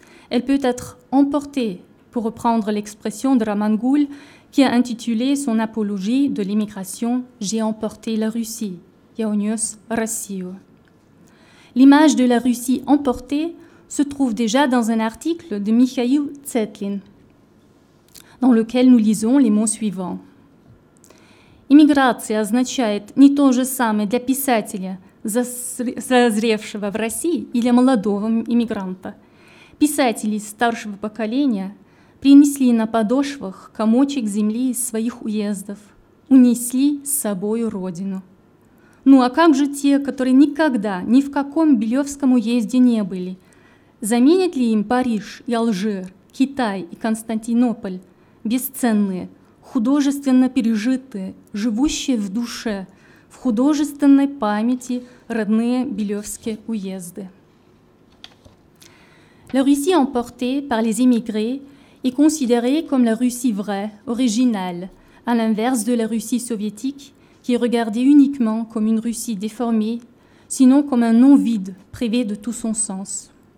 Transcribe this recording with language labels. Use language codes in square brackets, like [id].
[fr] Elle peut être emportée, pour reprendre l'expression de Raman Gul, qui a intitulé son apologie de l'immigration « J'ai emporté la Russie » [ru] (Я унес Россию). [fr] L'image de la Russie emportée se trouve déjà dans un article de Mikhail Tsetlin, dans lequel nous lisons les mots suivants. [ru] Иммиграция означает не то же самое для писателя, созревшего в России, или молодого иммигранта. Писатели старшего поколения принесли на подошвах комочек земли из своих уездов, унесли с собою родину. Ну а как же те, которые никогда ни в каком Белевском уезде не были? Заменят ли им Париж и Алжир, Китай и Константинополь, бесценные, художественно пережитые, живущие в душе, в художественной памяти родные Белевские уезды? [fr] La Russie emportée par les émigrés est considérée comme la Russie vraie, originale, à l'inverse de la Russie soviétique, qui est regardée uniquement comme une Russie déformée, sinon comme un nom vide, privé de tout son sens.